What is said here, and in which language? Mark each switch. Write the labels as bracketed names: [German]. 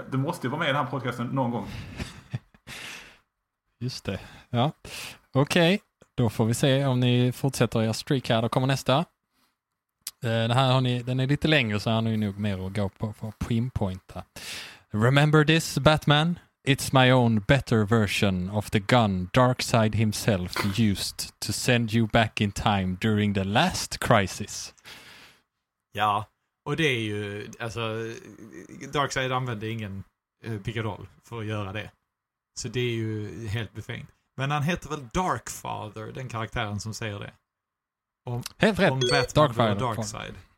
[Swedish] Du måste ju vara med i den här podcasten någon gång. Just det, ja. Okej, okay. Då får vi se om ni fortsätter era streak här. Då kommer nästa. Den här har ni, den är lite längre så har ni nog mer att gå på för att pinpointa. [English] Remember this, Batman? It's my own better version of the gun Darkseid himself used to send you back in time during the last crisis. [Swedish] Ja, och det är ju, alltså, Darkseid använde ingen pickadoll för att göra det. Så det är ju helt befängt. Men han heter väl Darkfather, den karaktären som säger det. Helt rätt, om Batman Darkfather. Var Darkseid.